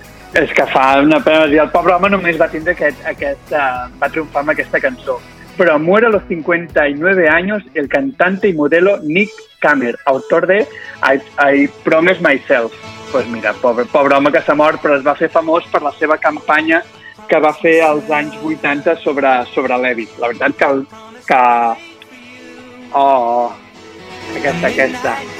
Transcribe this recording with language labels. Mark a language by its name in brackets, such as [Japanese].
[Catalan] És que fa una pena dir, el pobre home només va tindre aquest va triomfar amb aquesta cançó. [Spanish] Però muere a los 59 años el cantante y modelo Nick Kammer, autor de I Promise Myself. [Catalan] Pues mira, pobre home que s'ha mort, però es va fer famós per la seva campanya que va fer als anys 80 sobre Levi's. La veritat que... Oh, aquesta.